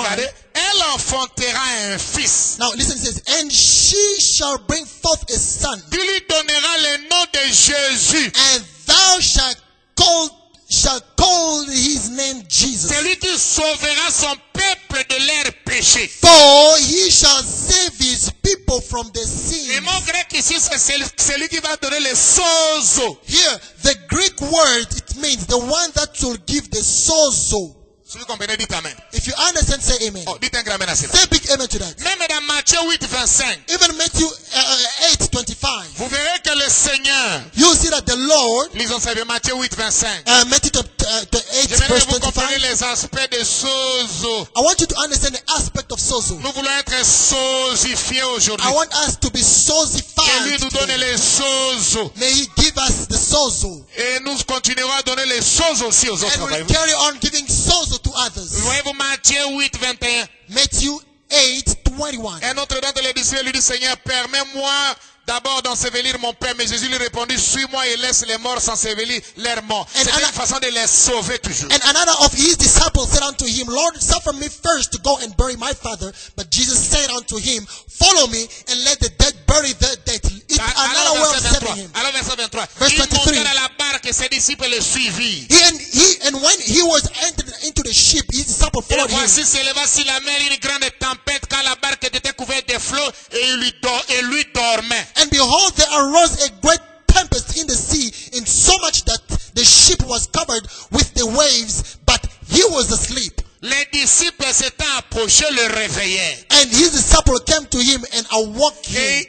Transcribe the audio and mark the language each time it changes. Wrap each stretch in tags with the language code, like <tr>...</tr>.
<fr>Regardez, elle enfantera un fils.</fr> <en>Now, listen, it says, and she shall bring forth a son.</en> <fr>Tu lui donneras le nom de Jésus.</fr> <en>And thou shalt call his name Jesus.</en> <fr>Celui qui sauvera son peuple de leur péché.</fr> <en>For he shall save his people from the sins.</en> <fr>Le mot grec ici, c'est celui qui va donner le sozo.</fr> <en>Here, the Greek word, it means the one that will give the sozo.</en> <fr>Si vous comprenez, dites amen.</fr> <en>If you understand, say amen.</en> <fr>Oh, dites un grand amen à cela.</fr> <en>Say big amen to that.</en> <fr>Même dans Matthieu 8, 25.</fr> <en>Even Matthew 8, 25.</en> <fr>Vous verrez que le Seigneur.</fr> <en>You see that the Lord.</en> <fr>Lisons, c'est Matthieu 8, 25.</fr> <en>Matthew 8, verse 25.</en> <fr>Je voudrais que vous compreniez les aspects de sozo.</fr> <en>I want you to understand the aspect of sozo.</en> <fr>Nous voulons être sozifiés aujourd'hui.</fr> <en>I want us to be sozified.</en> <fr>Que lui nous donne les sozo.</fr> <en>May he give us the sozo.</en> <fr>Et nous continuerons à donner les sozo aussi aux autres.</fr> <en>And we'll carry on giving sozo.</en> <fr>Voyez-vous Matthieu 8, 21.</fr> <en>Matthew 8, 21.</en> <fr>Un autre d'entre les disciples lui dit, Seigneur, permets-moi d'abord d'ensevelir mon père. Mais Jésus lui répondit, suis-moi et laisse les morts s'ensevelir leur mort. C'est une façon de les sauver toujours.</fr> <en>And another of his disciples said unto him, Lord, suffer me first to go and bury my father. But Jesus said unto him, follow me and let the dead bury the dead.</en> <fr>Alors verset 23.</fr> <en>Verse 23.</en> <fr>Il monta la barque et ses disciples le suivirent.</fr> <en>And when he was entered into the ship, his disciples followed him.</en> <fr>Et voici s'éleva sur la mer une grande tempête, car la barque était couverte de flots et lui dormait.</fr> <en>And behold, there arose a great tempest in the sea, in so much that the ship was covered with the waves, but he was asleep.</en> <fr>Les disciples s'étant approchés le réveillèrent.</fr> <en>And his disciple came to him and awoke him.</en>